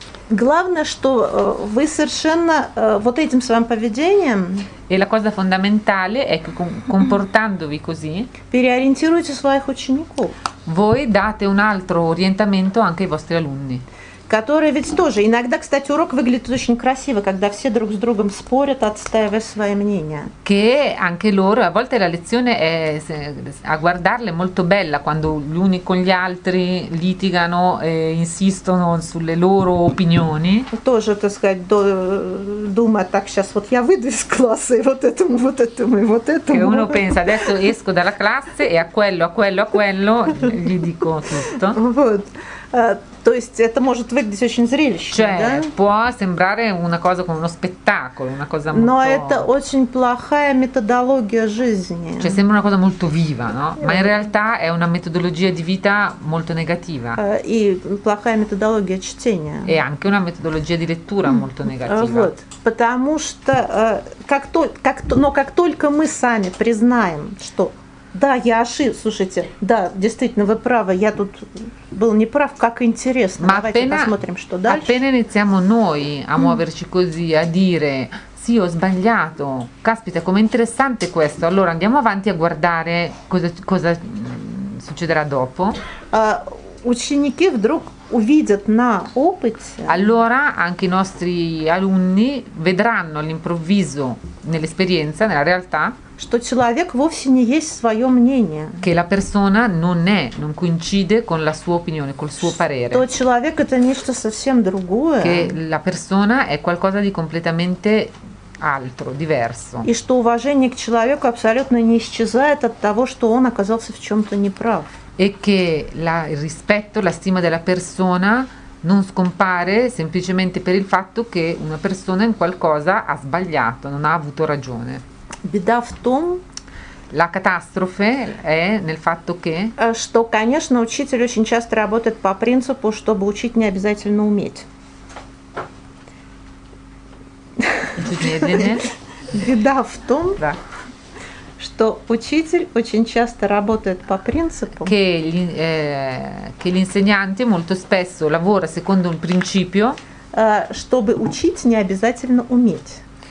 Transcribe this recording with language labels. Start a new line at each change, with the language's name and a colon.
Russian: Главное, что вы совершенно вот этим своим поведением.
Italian: E la cosa fondamentale è che comportandovi così.
Russian: Переориентируйте своих учеников.
Italian: Voi date un altro orientamento anche ai vostri alunni.
Russian: Которые ведь тоже. Иногда, кстати, урок выглядит очень красиво, когда все друг с другом спорят, отстаивая свои мнения.
Italian: Che anche loro, a volte la lezione è a guardarle molto bella quando gli uni con gli altri litigano e insistono sulle loro opinioni.
Russian: Тоже, так сказать, думает так, сейчас вот я выйду из класса и вот этому, вот этому и вот этому.
Italian: Che uno pensa, adesso esco dalla classe e a quello gli dico tutto.
Russian: Вот. То есть это может выглядеть очень зрелищно,
Italian: cioè,
Russian: да?
Italian: Può sembrare una cosa come uno spettacolo, una cosa molto.
Russian: Но это очень плохая методология жизни.
Italian: Cioè, sembra una cosa molto viva, no? Ma in realtà è una metodologia di vita molto negativa.
Russian: И плохая методология чтения.
Italian: E anche una metodologia di lettura molto negativa.
Russian: Вот, потому что как только мы сами признаем, что да, я ошиб. Слушайте, да, действительно, вы правы. Я тут был неправ. Как интересно.
Italian: Ma
Russian: давайте
Italian: appena,
Russian: посмотрим, что дальше.
Italian: Appena iniziamo noi a muoverci così, a dire sì, ho sbagliato. Caspita, com'è interessante questo. Allora andiamo avanti a guardare cosa succederà dopo.
Russian: Ученики вдруг увидят на опыте.
Italian: Allora anche i nostri alunni vedranno all'improvviso nell'esperienza, nella realtà.
Russian: Что человек вовсе не есть свое мнение.
Italian: Che la persona non è, non coincide con la sua opinione, col suo parere.
Russian: Что человек это нечто совсем другое.
Italian: Che la persona è qualcosa di completamente altro, diverso.
Russian: И что уважение к человеку абсолютно не исчезает от того, что он оказался в чем-то неправ.
Italian: E che la, il rispetto, la stima della persona non scompare semplicemente per il fatto che una persona in qualcosa ha sbagliato, non ha avuto ragione.
Russian: Беда в том,
Italian: la catastrofe è nel fatto che,
Russian: что, конечно, учитель очень часто работает по принципу, чтобы учить не обязательно уметь. Беда в том, да. Что учитель очень часто работает по принципу,
Italian: che l'insegnante molto spesso lavora secondo un principio,
Russian: чтобы учить не обязательно уметь.